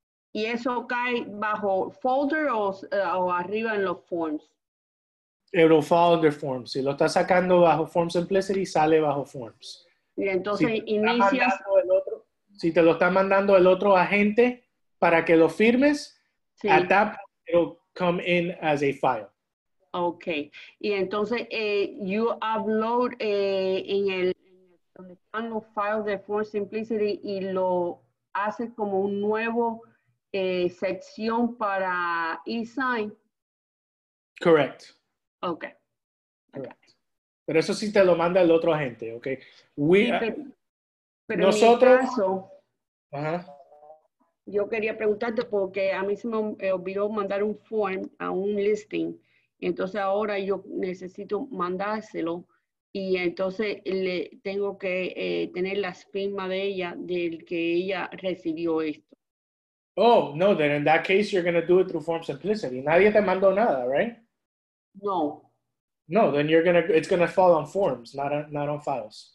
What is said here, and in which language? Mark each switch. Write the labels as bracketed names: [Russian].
[Spanish] ¿Y eso cae bajo folder o arriba en los forms? [English] It will fall under forms. [Spanish] Si lo está sacando bajo Form Simplicity, sale bajo forms. Y entonces si inicias... Si te lo está mandando el otro agente para que lo firmes, sí. [English] At that point, it will come in as a file. [Spanish] Ok. Y entonces, [English] you upload [Spanish] en el... Donde están los files de Form Simplicity y lo hace como un nuevo... sección para e-sign. [English] Correct. Okay. Correct. [Spanish] Pero eso sí te lo manda el otro agente, okay? Pero nosotros. En mi caso, yo quería preguntarte porque a mí se me olvidó mandar un form a un listing. Entonces ahora yo necesito mandárselo y entonces le tengo que tener la firma de ella del que ella recibió esto. [English] Oh, no, then in that case, you're going to do it through Form Simplicity. [Spanish] Nadie te mandó nada, right? No. [English] No, then you're going to, it's going to fall on forms, not on files.